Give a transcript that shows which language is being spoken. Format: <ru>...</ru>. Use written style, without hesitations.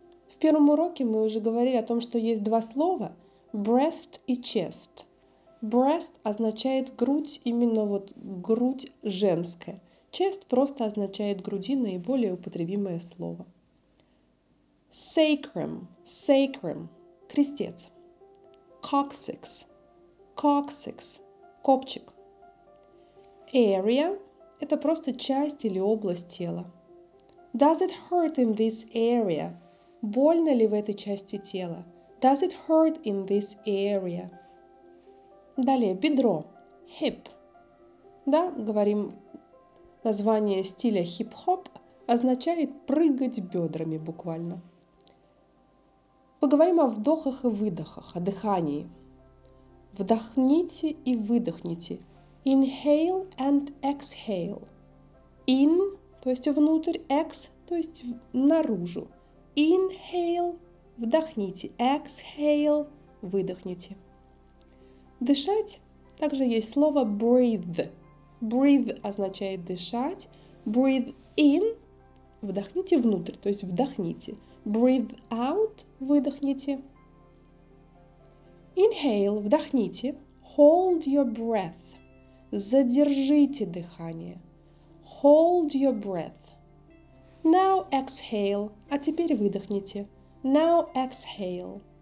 <ru>В первом уроке мы уже говорили о том, что есть два слова.</ru> <en>Breast и chest.</en> <ru>Breast означает грудь, именно вот грудь женская. Chest просто означает груди, наиболее употребимое слово.</ru> <en>Sacrum, sacrum, крестец. Coccyx,</en> <ru>coccyx – копчик. Area – это просто часть или область тела.</ru> <en>Does it hurt in this area?</en> <ru>Больно ли в этой части тела?</ru> <en>Does it hurt in this area?</en> <ru>Далее, бедро – hip. Да, говорим, название стиля хип-хоп означает прыгать бедрами буквально. Поговорим о вдохах и выдохах, о дыхании. Вдохните и выдохните.</ru> <en>Inhale and exhale.</en> <ru>In, то есть внутрь, ex, то есть наружу. Inhale, вдохните. Exhale, выдохните. Дышать, также есть слово breathe. Breathe означает дышать.</ru> <en>Breathe in,</en> <ru>вдохните внутрь, то есть вдохните.</ru> <en>Breathe out,</en> <ru>выдохните. Inhale, вдохните.</ru> <en>Hold your breath.</en> <ru>Задержите дыхание.</ru> <en>Hold your breath. Now exhale.</en> <ru>А теперь выдохните.</ru> <en>Now exhale.</en>